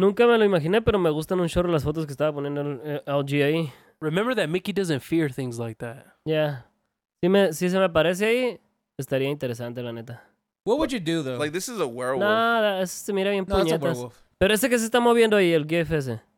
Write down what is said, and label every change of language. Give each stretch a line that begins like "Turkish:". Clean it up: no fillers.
Spanish: Nunca me lo imaginé, pero me gustan un chorro las fotos que estaba poniendo el GA.
English: Remember that Mickey doesn't fear things like that. Yeah.
Spanish: Si se me aparece ahí, estaría interesante, la neta.
English: What would you do, though? Like, this is a werewolf. Nah, that's a werewolf.
Spanish: Pero ese que se está moviendo ahí, el GIF ese.